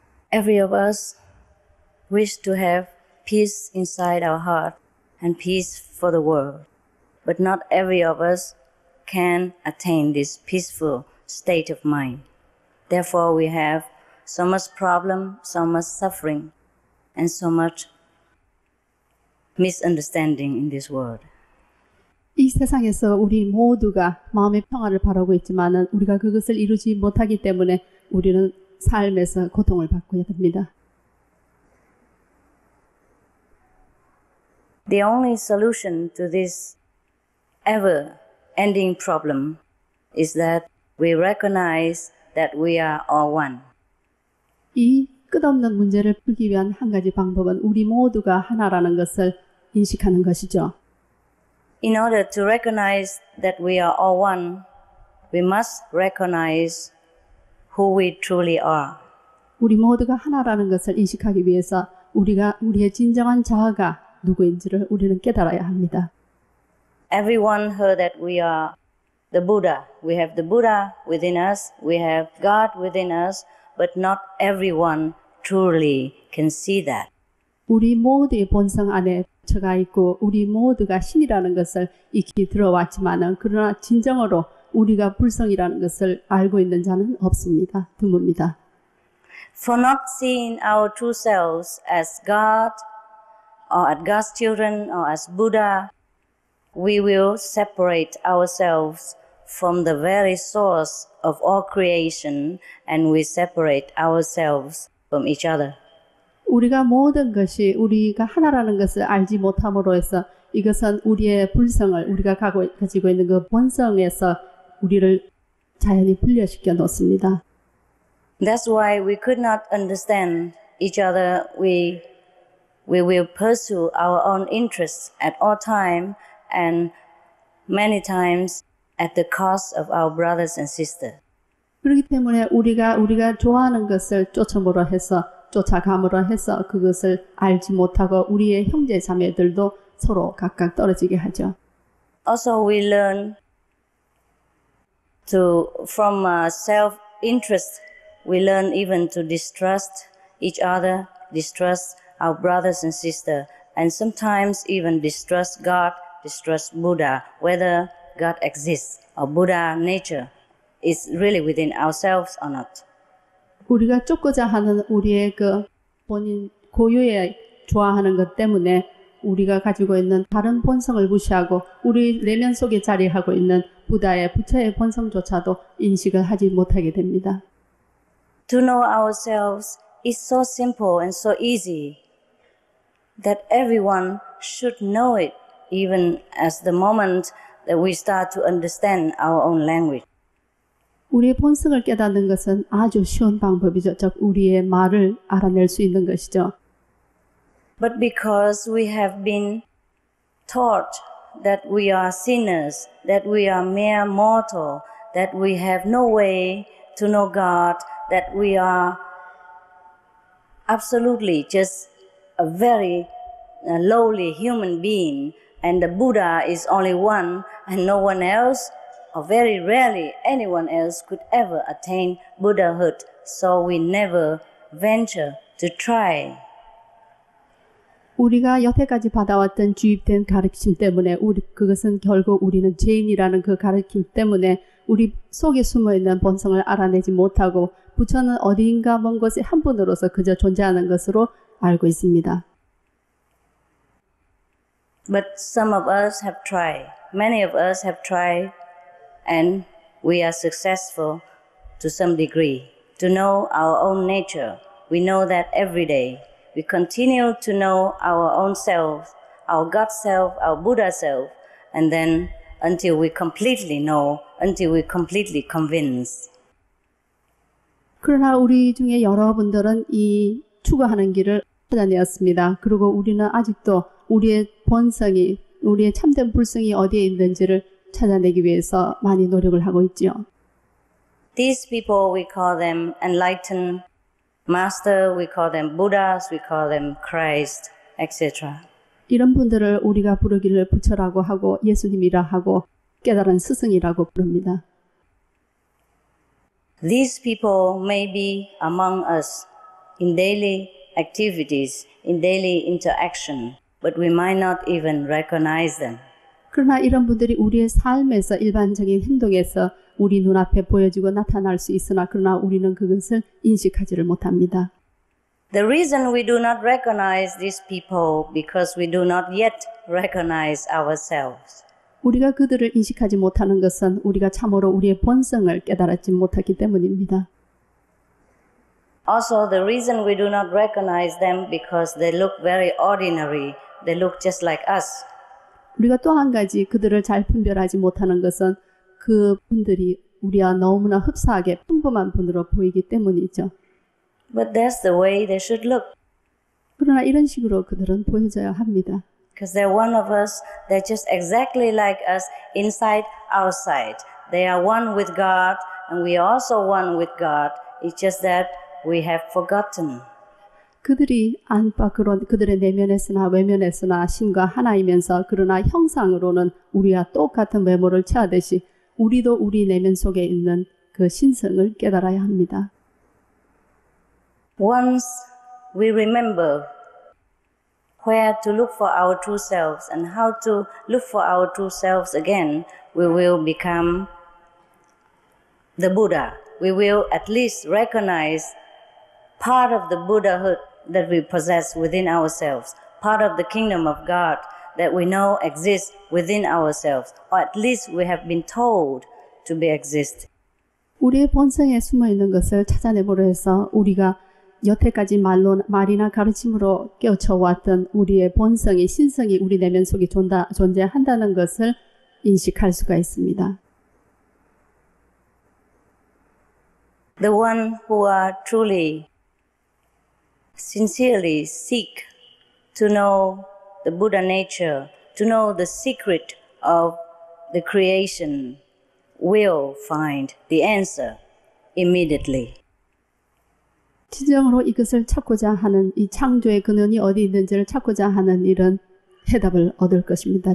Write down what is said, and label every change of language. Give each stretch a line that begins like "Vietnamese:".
English: Every of us wish to have peace inside our heart and peace for the world. But not every of us can attain this peaceful state of mind. Therefore, we have so much problem, so much suffering, and so much misunderstanding in this world.
Korean: 이 세상에서 우리 모두가 마음의 평화를 바라고 있지만 우리가 그것을 이루지 못하기 때문에 우리는 삶에서 고통을 받고 있습니다.
English: The only solution to this ever-ending problem is that we recognize that we are all one.
Korean: 이 끝없는 문제를 풀기 위한 한 가지 방법은 우리 모두가 하나라는 것을 인식하는 것이죠.
English: In order to recognize that we are all one, we must recognize who we truly are.
Korean: 우리 모두가 하나라는 것을 인식하기 위해서 우리가 우리의 진정한 자아가 누구인지를 우리는 깨달아야 합니다.
English: Everyone heard that we are the Buddha. We have the Buddha within us. We have God within us. But not everyone truly can see that.
Korean: 우리 모두의 본성 안에 가 있고 우리 모두가 신이라는 것을 익히 들어왔지만은 그러나 진정으로 우리가 불성이라는 것을 알고 있는 자는 없습니다. 드뭅니다.
English: For not seeing our true selves as God or as God's children or as Buddha, we will separate ourselves from the very source of all creation and we separate ourselves from each other.
Korean: 우리가 모든 것이 우리가 하나라는 것을 알지 못함으로 해서 이것은 우리의 불성을 우리가 가지고 있는 그 본성에서 우리를 자연히 분리시켜 놓습니다.
English: That's why we could not understand each other. We will pursue our own interests at all time and many times at the cost of our brothers and sisters.
Korean: 그렇기 때문에 우리가 좋아하는 것을 쫓음으로 해서 쫓아감으로 해서 그것을 알지 못하고 우리의 형제 자매들도 서로 각각 떨어지게 하죠.
English: Also, we learn to from self-interest. We learn even to distrust each other, distrust our brothers and sisters, and sometimes even distrust God, distrust Buddha, whether God exists or Buddha nature is really within ourselves or not.
Korean: 우리가 쫓고자 하는 우리의 그 본인 고유의 좋아하는 것 때문에 우리가 가지고 있는 다른 본성을 무시하고 우리 내면 속에 자리하고 있는 부다의 부처의 본성조차도 인식을 하지 못하게 됩니다.
English: To know ourselves is so simple and so easy that everyone should know it even as the moment that we start to understand our own language.
Korean: 우리의 본성을 깨닫는 것은 아주 쉬운 방법이죠. 즉 우리의 말을 알아낼 수 있는 것이죠.
English: But because we have been taught that we are sinners, that we are mere mortal, that we have no way to know God, that we are absolutely just a very lowly human being, and the Buddha is only one and no one else, or very rarely anyone else could ever attain Buddhahood, so we never venture to try.
Korean: 우리가 여태까지 받아왔던 주입된 가르침 때문에 그것은 결국 우리는 죄인이라는 그 가르침 때문에 우리 속에 숨어있는 본성을 알아내지 못하고 부처는 어디인가 먼 곳에 한 분으로서 그저 존재하는 것으로 알고 있습니다.
English: But some of us have tried. Many of us have tried and we are successful to some degree. To know our own nature, we know that every day. We continue to know our own self, our God self, our Buddha self, and then until we completely know, until we completely convince.
Korean: 그러나 우리 중에 여러분들은 이 추구하는 길을 찾아내었습니다. 그리고 우리는 아직도 우리의 본성이, 우리의 참된 불성이 어디에 있는지를 찾아내기 위해서 많이 노력을 하고 있지요.
English: These people, we call them enlightened. Master, we call them Buddhas, we call them Christ, etc.
Korean: 이런 분들을 우리가 부르기를 부처라고 하고 예수님이라 하고 깨달은 스승이라고 부릅니다.
English: These people may be among us in daily activities, in daily interaction, but we might not even recognize them.
Korean: 그러나 이런 분들이 우리의 삶에서 일반적인 행동에서 우리 눈앞에 보여지고 나타날 수 있으나 그러나 우리는 그것을 인식하지를 못합니다.
English: The reason we do not recognize these people because we do not yet recognize ourselves.
Korean: 우리가 그들을 인식하지 못하는 것은 우리가 참으로 우리의 본성을 깨달았지 못하기 때문입니다.
English: Also, the reason we do not recognize them because they look very ordinary. They look just like us.
Korean: 우리가 또 한 가지 그들을 잘 분별하지 못하는 것은 그 분들이 우리와 너무나 흡사하게 평범한 분으로 보이기 때문이죠.
English: But that's the way they should look.
Korean: 그러나 이런 식으로 그들은 보여져야 합니다.
English: Because they're one of us, they're just exactly like us, inside, outside. They are one with God, and we are also one with God. It's just that we have forgotten.
Korean: 그들이 안팎으로 그들의 내면에서나 외면에서나 신과 하나이면서 그러나 형상으로는 우리와 똑같은 외모를 취하듯이 우리도 우리 내면 속에 있는 그 신성을 깨달아야 합니다.
English: Once we remember where to look for our true selves and how to look for our true selves again, we will become the Buddha. We will at least recognize part of the Buddhahood that we possess within ourselves, part of the kingdom of God that we know exists within ourselves, or at least we have been told to be exist.
Korean: 우리의 본성에 숨어 있는 것을 찾아내므로 해서 우리가 여태까지 말로 말이나 가르침으로 깨우쳐 왔던 우리의 본성이 신성이 우리 내면 속에 존재한다는 것을 인식할 수가 있습니다.
English: The one who are truly sincerely seek to know the Buddha nature, to know the secret of the creation, will find the answer immediately.
Korean: 진정으로 이것을 찾고자 하는 이 창조의 근원이 어디 있는지를 찾고자 하는 이런 해답을 얻을 것입니다.